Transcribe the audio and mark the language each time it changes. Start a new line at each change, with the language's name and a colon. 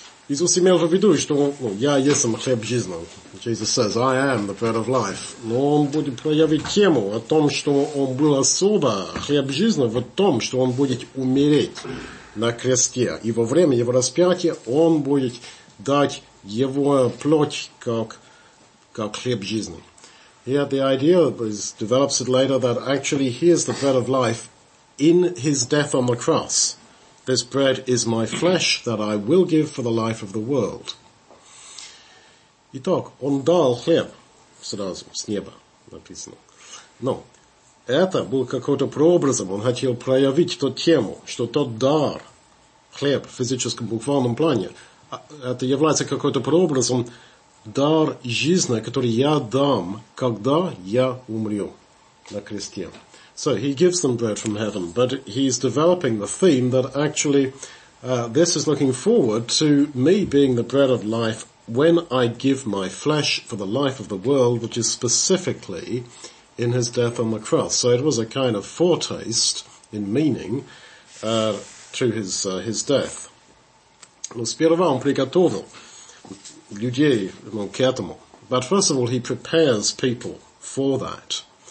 Russian: Иисус имел в виду, что ну, я есть хлеб жизни.
English: Jesus says, I am the bread of life.
Russian: Но он будет проявить тему о том, что он был особо хлеб жизни в том, что он будет умереть на кресте. И во время его распятия он будет дать его плоть как хлеб жизни.
English: Yeah, the idea develops it later that actually he is the bread of life. In his death on the cross, this bread is my flesh that I will give for the life of the world.
Russian: Итак, он дал хлеб сразу, с неба написано. Но это был какой-то прообразом, он хотел проявить ту тему, что тот дар, хлеб в физическом, буквальном плане, это является какой-то прообразом дар жизни, который я дам, когда я умру на кресте.
English: So he gives them bread from heaven, but he's developing the theme that actually this is looking forward to me being the bread of life when I give my flesh for the life of the world, which is specifically in his death on the cross. So it was a kind of foretaste in meaning to his death.
Russian: Но сперва он приготовил людей, ну, к этому.
English: But first of all, he prepares people for that.